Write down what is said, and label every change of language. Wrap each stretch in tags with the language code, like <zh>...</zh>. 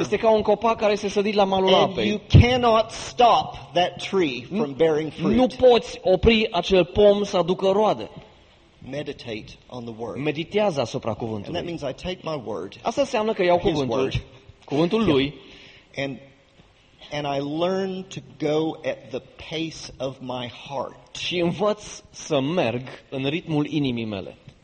<ro>Este ca un copac care este sădit la malul apei.</ro> <en>And you cannot stop that tree from bearing fruit.</en> <ro>Nu poți opri acel pom să aducă roade.</ro> <en>Meditate on the word.</en> <ro>Meditează asupra cuvântului.</ro> <en>And that means I take my word.</en> <ro>Asta înseamnă că iau cuvântul.</ro> <en>Word,</en> <ro>cuvântul lui.</ro> <en>And I learn to go at the pace of my heart.</en> <ro>Și învăț să merg în ritmul inimii mele.</ro>